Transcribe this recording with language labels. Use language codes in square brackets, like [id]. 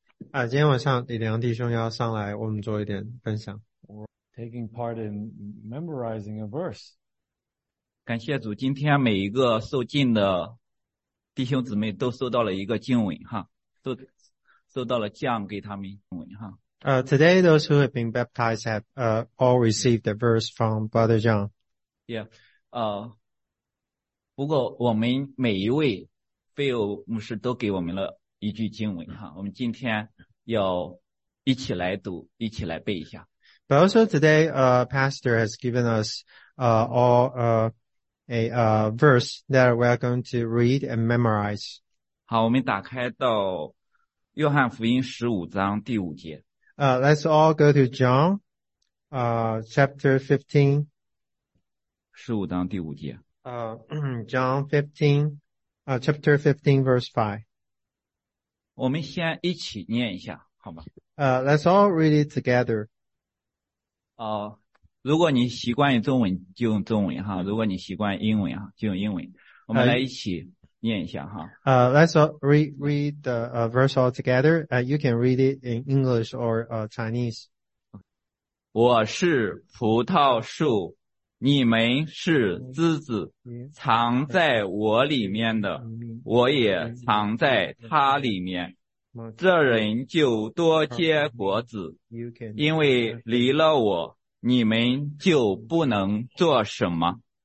[zh] 啊，今天晚上李良弟兄要上来，我们做一点分享。 [en] Taking part in memorizing a verse. [zh] 感谢主，今天每一个受浸的弟兄姊妹都收到了一个经文哈，都收到了降给他们经文哈。 [en] Today those who have been baptized have all received a verse from Brother John. Yeah. [zh] 不过我们每一位 Phil 牧师都给我们了。一句经文哈，我们今天要一起来读，一起来背一下。 [en] But also today, Pastor has given us, verse that we're going to read and memorize. [zh] 好，我们打开到约翰福音十五章第五节。 [en] Let's all go to John, chapter 15. [zh] 十五章第五节。 [en] John 15, chapter 15, verse 5. [zh] 我们先一起念一下好吗 [en] Let's all read it together. [zh] 如果你习惯于中文就用中文哈，如果你习惯英文哈就用英文。我们来一起念一下哈。 [en] Let's all read the verse all together. You can read it in English or Chinese. [zh] 我是葡萄树，你们是枝子，藏在我里面的，我也藏在他里面。这人就多结果子，因为离了我，你们就不能做什么。